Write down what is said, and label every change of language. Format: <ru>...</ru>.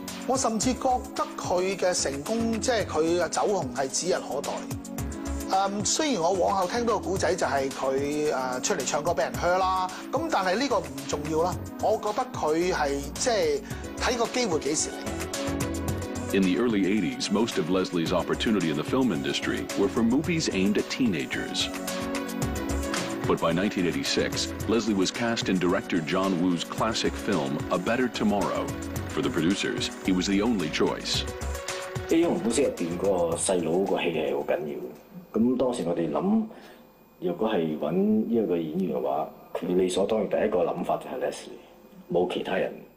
<yue>我甚至覺得佢嘅成功，即係佢嘅走紅係指日可待。雖然我往後聽到個故仔就係佢出嚟唱歌俾人噓啦，咁但係呢個唔重要啦。我覺得佢係即係睇個機會幾時嚟。</yue> <en>In the early 80s, most of Leslie's opportunity in the film industry were for movies aimed at teenagers. But by 1986, Leslie was cast in director John Woo's classic film A Better Tomorrow. For the producers, he was the only choice.</en> <yue>因為公司入邊個細佬個戲係好緊要。咁當時我哋諗，若果係揾呢一個演員嘅話，佢理所當然第一個諗法就係 Leslie， 冇其他人。</yue>